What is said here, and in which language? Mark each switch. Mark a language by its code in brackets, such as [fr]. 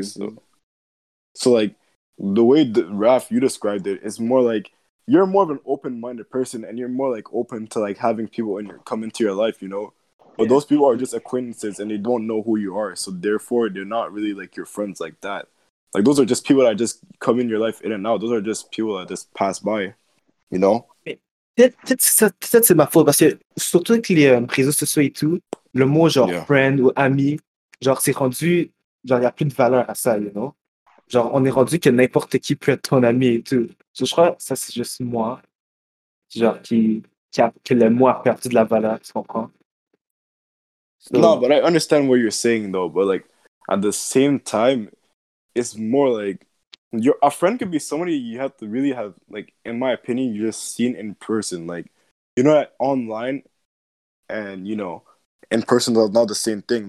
[en] So, like, the way that Raph, you described it, is more like, you're more of an open-minded person and you're more, like, open to, like, having people in your, come into your life, you know? But those people are just acquaintances and they don't know who you are. So, therefore, they're not really, like, your friends like that. Like, those are just people that just come in your life in and out. Those are just people that just pass by, you know? [fr] Peut-être c'est ma faute parce que, surtout avec les réseaux sociaux et tout, le mot, genre, friend ou ami, genre, c'est rendu, genre, il n'y a plus de valeur à ça, [en] you know? [fr] Genre, on est rendu que n'importe qui peut être ton ami et tout. Je crois que ça, c'est juste moi, genre, qui le mot a perdu de la valeur, tu comprends? [en] So, no, but I understand what you're saying, though. But, like, at the same time, it's more like a friend could be somebody you have to really have, like, in my opinion, you just seen in person. Like, you know, online and, you know, in person is not the same thing.